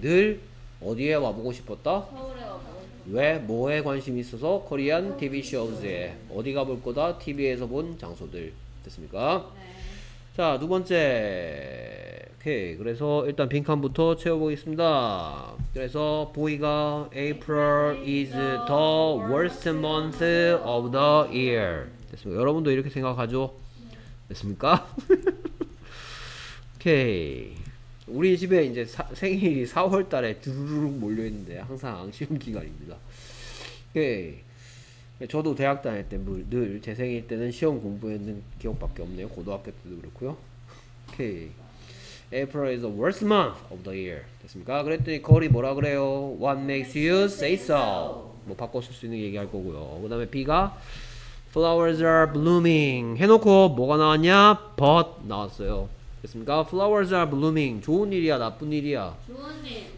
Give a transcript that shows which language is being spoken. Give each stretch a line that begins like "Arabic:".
Korean: 늘 어디에 와보고 싶었다? 서울에 와보고 싶다. 왜? 뭐에 관심이 있어서?
English: Korean TV shows
Korean: 에. 어디 가볼 거다? TV에서 본 장소들. 됐습니까? 네. 자, 두 번째. 오케이. 그래서 일단 빈칸부터 채워보겠습니다. 그래서 보이가
English: April is the worst month of the year.
Korean: 됐습니까? 여러분도 이렇게 생각하죠? 됐습니까? 오케이. 우리 집에 이제 생일이 4월 달에 두루룩 몰려있는데 항상 시험 기간입니다. 오케이. 저도 대학 다닐 때 늘 제 생일 때는 시험 공부했는 기억밖에 없네요. 고등학교 때도 그렇고요. 오케이.
English: April is the worst month of the year.
Korean: 됐습니까? 그랬더니 거리 뭐라 그래요?
English: What makes you say so?
Korean: 뭐 바꿔쓸 수 있는 게 얘기할 거고요. 그 다음에 B가
English: Flowers are blooming.
Korean: 해놓고 뭐가 나왔냐? But 나왔어요. 됐습니까?
English: Flowers are blooming.
Korean: 좋은 일이야? 나쁜 일이야? 좋은 일.